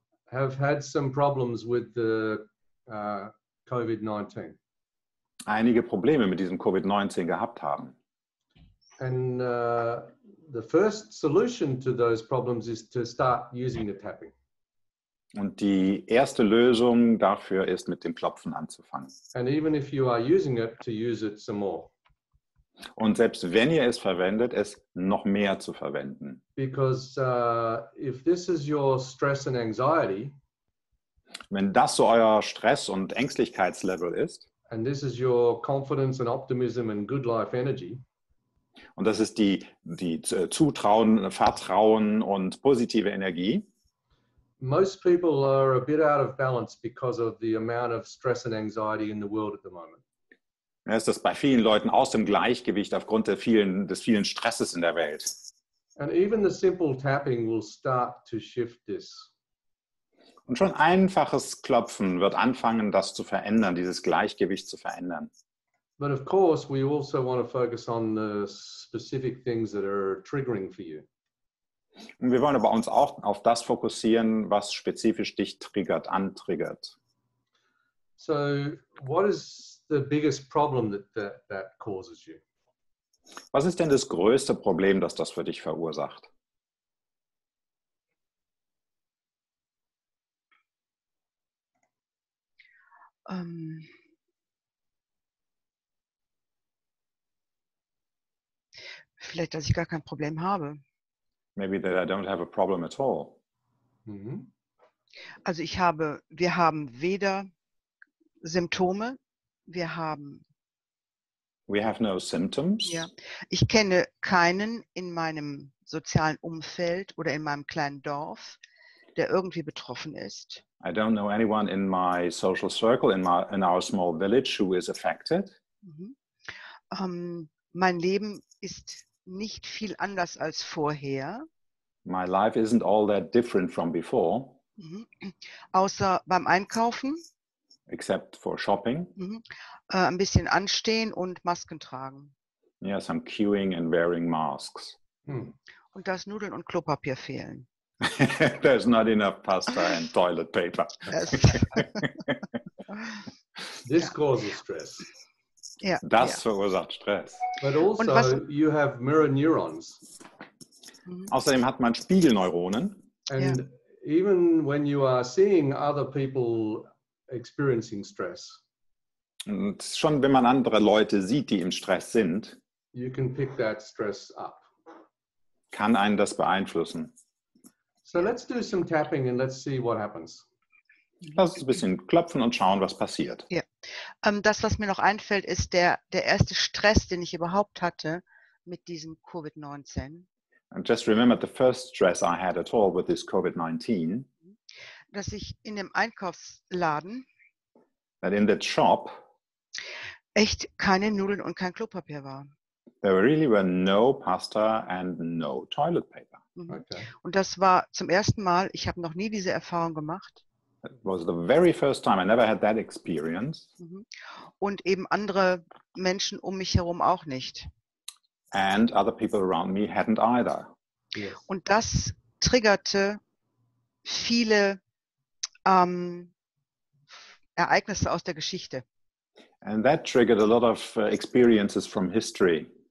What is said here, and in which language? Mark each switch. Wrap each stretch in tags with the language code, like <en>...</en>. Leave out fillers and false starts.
<en>have had some problems with the COVID-19.</en> <de>Einige Probleme mit diesem COVID-19 gehabt haben.</de> <en>And the first solution to those problems is to start using the tapping.</en> <de>Und die erste Lösung dafür ist, mit dem Klopfen anzufangen.</de> <en>And even if you are using it, to use it some more.</en> <de>Und selbst wenn ihr es verwendet, es noch mehr zu verwenden.</de> <en>Because if this is your stress and anxiety,</en> <de>wenn das so euer Stress- und Ängstlichkeitslevel ist,</de> <en>and this is your confidence and optimism and good life energy,</en> <de>und das ist die Zutrauen, Vertrauen und positive Energie,</de> <en>most people are a bit out of balance because of the amount of stress and anxiety in the world at the moment.</en> <de>Ja, ist das bei vielen Leuten aus dem Gleichgewicht aufgrund des vielen Stresses in der Welt.</de> <en>And even the simple tapping will start to shift this.</en> <de>Und schon einfaches Klopfen wird anfangen, das zu verändern, dieses Gleichgewicht zu verändern.</de> <en>But of course we also want to focus on the specific things that are triggering for you.</en> <de>Und wir wollen aber uns auch auf das fokussieren, was spezifisch dich triggert, antriggert.</de> <en>So what is the biggest problem that causes you?</en> <de>Was ist denn das größte Problem, das für dich verursacht? Vielleicht, dass ich gar kein Problem habe.</de> <en>Maybe that I don't have a problem at all.</en> <de>Mm-hmm. Also wir haben weder Symptome.</de> <en>We have no symptoms.</en> <de>Ja. Ich kenne keinen in meinem sozialen Umfeld oder in meinem kleinen Dorf, der irgendwie betroffen ist.</de> <en>I don't know anyone in my social circle, in our small village, who is affected. Mhm.</en> <de>Mein Leben ist nicht viel anders als vorher.</de> <en>My life isn't all that different from before.</en> <de>Mhm. Außer beim Einkaufen.</de> <en>Except for shopping.</en> <de>Mm-hmm. Ein bisschen anstehen und Masken tragen.</de> <en>Yeah, some queuing and wearing masks.</en> <de>Hmm. Und dass Nudeln und Klopapier fehlen.</de> <en>There's not enough pasta and toilet paper. Yes. This yeah. causes stress.</en> <de>Yeah. Das yeah. verursacht Stress.</de> <en>But also you have mirror neurons.</en> <de>Mm-hmm. Außerdem hat man Spiegelneuronen.</de> <en>And yeah. even when you are seeing other people experiencing stress.</en> <de>Und schon wenn man andere Leute sieht, die im Stress sind,</de> <en>you can pick that stress up.</en> <de>Kann einen das beeinflussen.</de> <en>So let's do some tapping and let's see what happens.</en> <de>Lass uns ein bisschen klopfen und schauen, was passiert. Ja. Das, was mir noch einfällt, ist der erste Stress, den ich überhaupt hatte mit diesem COVID-19.</de> <en>And just remember the first stress I had at all with this COVID-19.</en> <de>Dass ich in dem Einkaufsladen</de> <en>that in the shop</en> <de>echt keine Nudeln und kein Klopapier war.</de> <en>There really were no pasta and no toilet paper. Mm-hmm. Okay.</en> <de>Und das war zum ersten Mal, ich habe noch nie diese Erfahrung gemacht.</de> <en>It was the very first time I never had that experience. Mm-hmm.</en> <de>Und eben andere Menschen um mich herum auch nicht.</de> <en>And other people around me hadn't either. Yes.</en> <de>Und das triggerte viele Ereignisse aus der Geschichte.</de> <en>And that triggered a lot of experiences from history.</en>